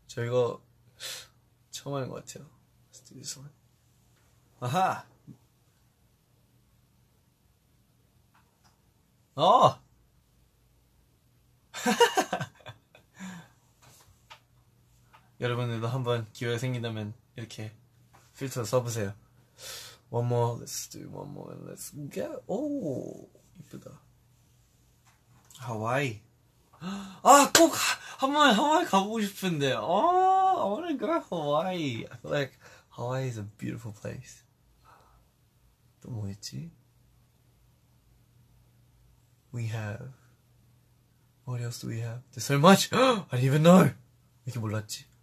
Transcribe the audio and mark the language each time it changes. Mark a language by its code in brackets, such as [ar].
[ko] 저 이거 처음 하는 것 같아요. 스튜디오에서. 아하. 어. 여러분들도 한번 기회가 생긴다면 이렇게 필터 써보세요. [en] One more, let's do one more, and let's get. [ko] 오, 이쁘다. 하와이. 아, 꼭 한번 하와이 가보고 싶은데. [en] 아, I wanna go to Hawaii. I feel like Hawaii is a beautiful place. [ko] 또 뭐 있지? [en] We have. What else do we have? There's so much. I didn't even know. [ko] 이렇게 몰랐지.